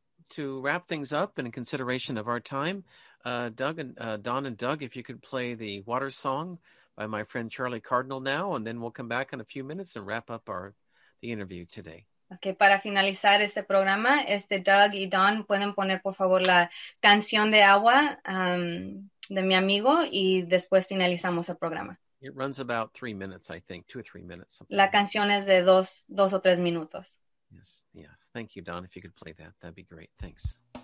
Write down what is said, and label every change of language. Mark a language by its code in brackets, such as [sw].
[en] To wrap things up in consideration of our time, Don and Doug, if you could play the water song by my friend Charlie Cardinal now, and then we'll come back in a few minutes and wrap up the interview today. [es] Okay, para finalizar este programa, Doug y Don, pueden poner por favor la canción de agua de mi amigo y después finalizamos el programa. [en] It runs about 3 minutes, I think, 2 or 3 minutes. [es] La canción es de dos o tres minutos. [en] Yes. Thank you, Don. If you could play that, that'd be great. Thanks.